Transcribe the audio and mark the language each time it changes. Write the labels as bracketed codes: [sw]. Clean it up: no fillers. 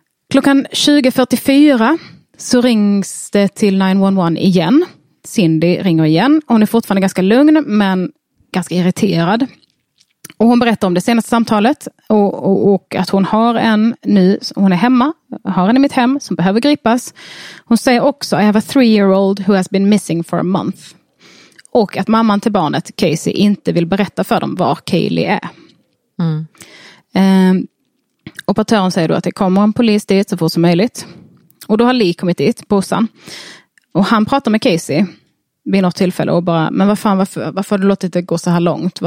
[sv] Klockan 20:44 så rings det till 911 igen. Cindy ringer igen. Hon är fortfarande ganska lugn, men ganska irriterad. Och hon berättar om det senaste samtalet och att hon har en nu, hon är hemma, har en i mitt hem som behöver gripas. Hon säger också, [en] I have a 3-year-old who has been missing for a month. [sv] Och att mamman till barnet, Casey, inte vill berätta för dem var Kaylee är. Mm. Operatören säger då att det kommer en polis dit så fort som möjligt. Och då har Lee kommit dit, bussen. Och han pratar med Casey vid något tillfälle och bara, men vad fan, varför har du låtit det gå så här långt?